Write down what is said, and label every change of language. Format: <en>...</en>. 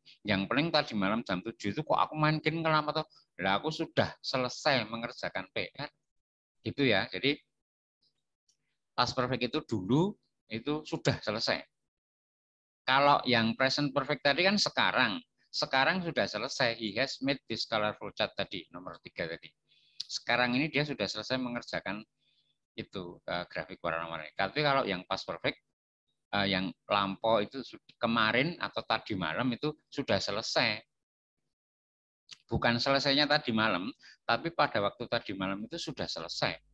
<id>Yang penting tadi malam jam 7 itu kok aku main game kenapa tuh? Lah aku sudah selesai mengerjakan PR. Gitu ya. Jadi past perfect itu dulu itu sudah selesai. Kalau yang present perfect tadi kan sekarang. Sekarang sudah selesai.</id> <en>He has made this colorful chart</en> <id>tadi, nomor 3 tadi. Sekarang ini dia sudah selesai mengerjakan itu grafik warna-warni. Tapi kalau yang past perfect, yang lampau itu kemarin atau tadi malam itu sudah selesai. Bukan selesainya tadi malam, tapi pada waktu tadi malam itu sudah selesai.</id>